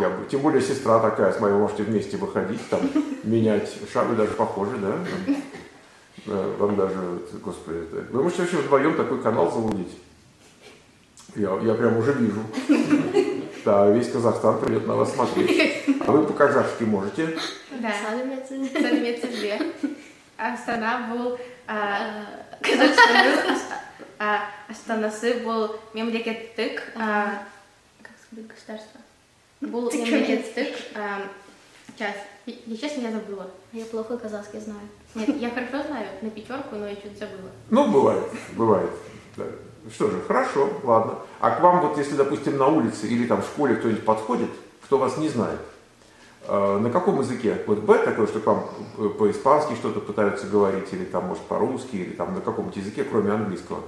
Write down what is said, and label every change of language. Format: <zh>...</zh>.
<ru>Тем более сестра такая, с моей можете вместе выходить, там, менять шагу, даже похожи, да? Вам даже, господи, это... Вы можете вообще вдвоем такой канал залудить. Я прям уже вижу. Да, весь Казахстан придет на вас смотреть. А вы по-казахски можете? Да.</ru> <kk>Сәлеметсіз бе? Астана бұл Казахстанның астанасы бұл мемлекеттік государство. Бұл мемлекеттік</kk> <ru>сейчас, я забыла. Я плохо казахский знаю. Нет, я хорошо знаю, на пятерку, но я чуть забыла. Ну, бывает. Да. Что же, хорошо, ладно. А к вам вот, если, допустим, на улице или там в школе кто-нибудь подходит, кто вас не знает, на каком языке? Вот бэт такое, что к вам по-испански что-то пытаются говорить, или там, может, по-русски, или там на каком-нибудь языке, кроме английского.</ru>